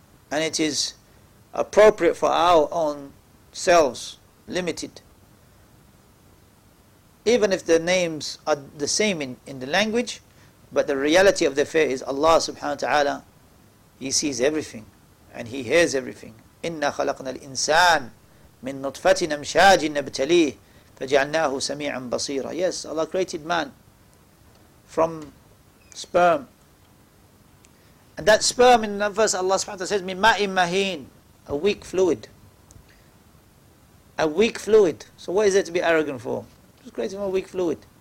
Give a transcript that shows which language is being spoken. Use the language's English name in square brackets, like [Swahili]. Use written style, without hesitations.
[English] And it is appropriate for our own selves, limited. Even if the names are the same in the language, but the reality of the affair is Allah subhanahu wa ta'ala, He sees everything. And He hears everything. [Arabic] إِنَّا خَلَقْنَا الْإِنسَانِ مِنْ نُطْفَةٍ أَمْشَاجٍ نَبْتَلِيهِ فَجَعَلْنَاهُ سَمِيعًا بَصِيرًا. [English] Yes, Allah created man from sperm. And that sperm in the verse Allah subhanahu wa ta'ala says, [Arabic] مِن مَاءٍ مَهِينٍ, [English] a weak fluid. A weak fluid. So what is there to be arrogant for? Just created from a weak fluid.